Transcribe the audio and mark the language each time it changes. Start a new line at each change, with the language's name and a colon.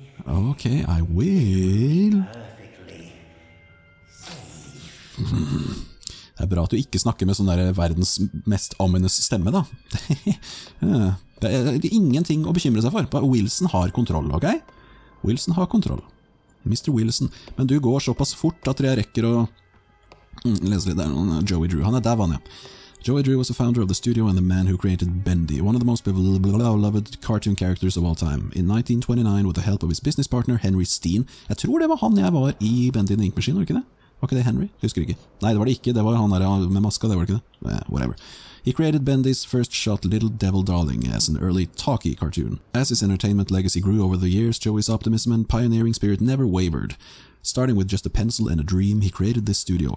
English: Ok, I will.
Norwegian: Det er bra at du ikke snakker med sånn der verdens mest ominous stemme, da. Det er ingenting å bekymre seg for. Wilson har kontroll, ok? Wilson har kontroll. Mr. Wilson. Men du går såpass fort at jeg rekker å... Les litt, det er noen Joey Drew. Han er der, han, ja.
English: Joey Drew was the founder of the studio and the man who created Bendy, one of the most beloved cartoon characters of all time. In 1929, with the help of his business partner, Henry Steen.
Norwegian: Jeg tror det var han jeg var i Bendy and the Ink Machine, var ikke det? Var ikke det Henry? Husker ikke. Nei, det var det ikke. Det var han der med maska, det var ikke det.
English: Whatever. He created Bendy's first shot Little Devil Darling as an early talkie cartoon. As his entertainment legacy grew over the years, Joey's optimism and pioneering spirit never wavered. Starting with just a pencil and a dream, he created this studio.